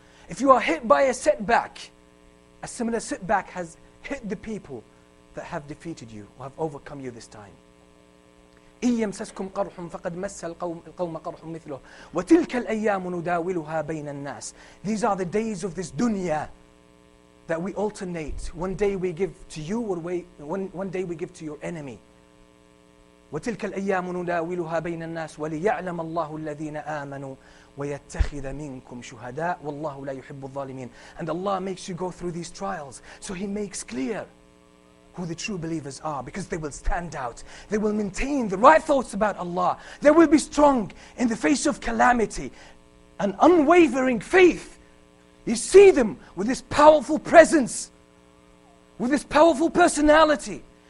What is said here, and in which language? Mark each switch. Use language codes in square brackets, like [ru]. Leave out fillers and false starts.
[en] If you are hit by a setback, a similar setback has hit the people that have defeated you or have overcome you this time. [ar] إِن يَمْسَسْكُمْ قَرْحٌ فَقَدْ مَسَّ الْقَوْمَ قَرْحٌ مِثْلُهُ وَتِلْكَ الْأَيَّامُ نُدَاوِلُهَا بَيْنَ النَّاسِ. [en] These are the days of this dunya that we alternate. One day we give to you, or one day we give to your enemy. [ar] وتلك الأيام نداولها بين الناس وليعلم الله الذين آمنوا ويتخذ منكم شهداء والله لا يحب الظالمين. [en] And Allah makes you go through these trials, so He makes clear who the true believers are, because they will stand out. They will maintain the right thoughts about Allah. They will be strong in the face of calamity. An unwavering faith. You see them with this powerful presence, with this powerful personality.